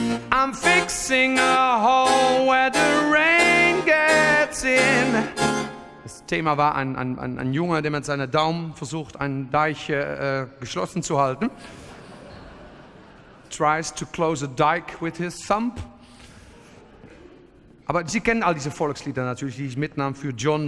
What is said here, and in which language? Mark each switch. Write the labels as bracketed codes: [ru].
[en] I'm fixing a hole where the rain gets in. [de] Das Thema war ein Junge, der mit seinem Daumen versucht, einen Deich geschlossen zu halten. [en] Tries to close a dike with his thumb. [de] Aber Sie kennen all diese Volkslieder natürlich, die ich mitnahm für John.